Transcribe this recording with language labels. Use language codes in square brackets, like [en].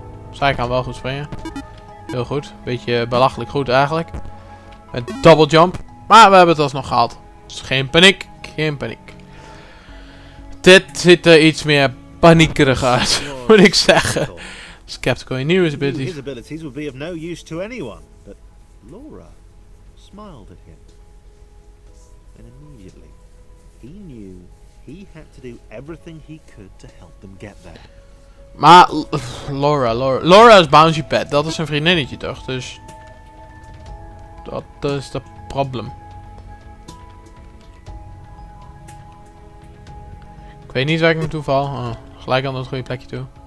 [nl] Zij kan wel goed springen. Heel goed. Beetje belachelijk goed eigenlijk. Met double jump. Maar we hebben het alsnog gehaald. Dus geen paniek. Geen paniek. Dit ziet er iets meer paniekerig uit. Moet ik zeggen. [en] Skeptical in new abilities. His abilities would be of no use to anyone. But Laura smiled at him. And immediately he knew he had to do everything he could to help them get there. [nl] Maar Laura is Bouncy Pet. Dat is een vriendinnetje toch? Dus dat is de probleem. Ik weet niet waar ik naartoe val. Oh, gelijk aan dat goede plekje toe.